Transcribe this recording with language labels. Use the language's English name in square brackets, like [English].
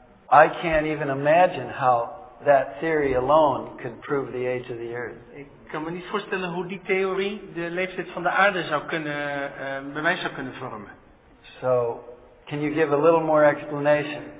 [English] I can't even imagine how that theory alone could prove the age of the Earth. [Dutch] Ik kan me niet voorstellen hoe die theorie de leeftijd van de aarde zou kunnen bewijs zou kunnen vormen. [English] So, can you give a little more explanation?